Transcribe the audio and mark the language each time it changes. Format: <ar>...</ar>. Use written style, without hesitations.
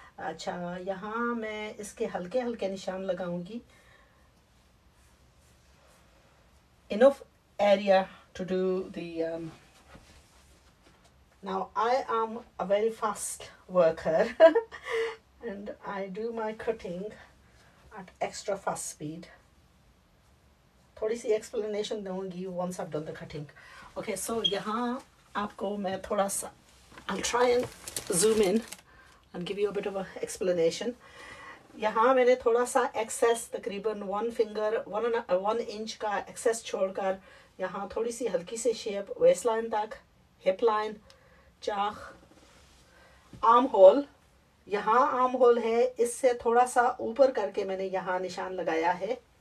<hi>अच्छा, यहाँ मैं इसके हल्के हल्के निशान लगाऊंगी।</hi> <en>Enough area to do the Now I am a very fast worker and I do my cutting at extra fast speed.</en> <hi>थोड़ी सी</hi> <en>explanation</en> <hi>दूंगी</hi> <en>once I've done the cutting. Okay, so</en> <hi>यहाँ आपको मैं थोड़ा सा</hi> <en>I try and zoom in and give you a bit of a explanation.</en> <hi>यहाँ मैंने थोड़ा सा एक्सेस तकरीबन वन इंच का एक्सेस छोड़कर यहाँ थोड़ी सी हल्की सी शेप वेस्ट लाइन तक, हिप लाइन, चाख, आर्म होल, यहाँ आर्म होल है, इससे थोड़ा सा ऊपर करके मैंने यहाँ निशान लगाया है।</hi>